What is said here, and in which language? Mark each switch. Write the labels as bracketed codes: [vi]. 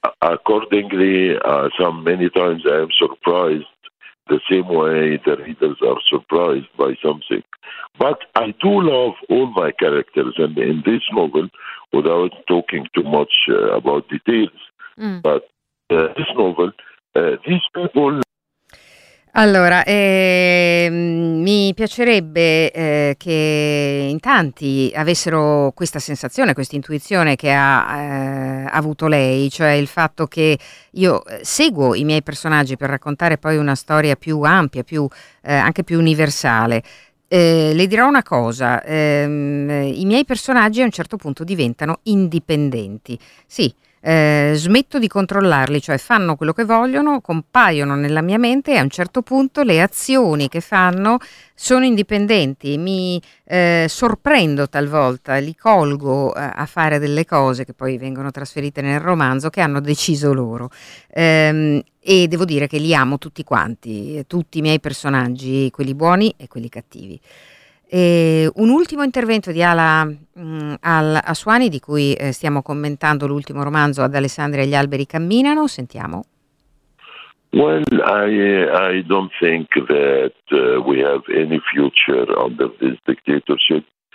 [en] Accordingly, many times I am surprised, the same way the readers are surprised by something. But I do love all my characters, and in this novel, without talking too much about details, but this novel, these people... [it] Allora, mi piacerebbe che in tanti avessero questa sensazione, questa intuizione che ha avuto lei, cioè il fatto che io seguo i miei personaggi per raccontare poi una storia più ampia, più, anche più universale. Le dirò una cosa, i miei personaggi a un certo punto diventano indipendenti, sì. Smetto di controllarli, cioè fanno quello che vogliono, compaiono nella mia mente e a un certo punto le azioni che fanno sono indipendenti. Mi sorprendo talvolta, li colgo a fare delle cose che poi vengono trasferite nel romanzo che hanno deciso loro. E devo dire che li amo tutti quanti, tutti i miei personaggi, quelli buoni e quelli cattivi. E un ultimo intervento di Ala Aswani, di cui stiamo commentando l'ultimo romanzo, Ad Alessandria gli alberi camminano, sentiamo. [en] Well, I don't think that we have any future under this dictatorship.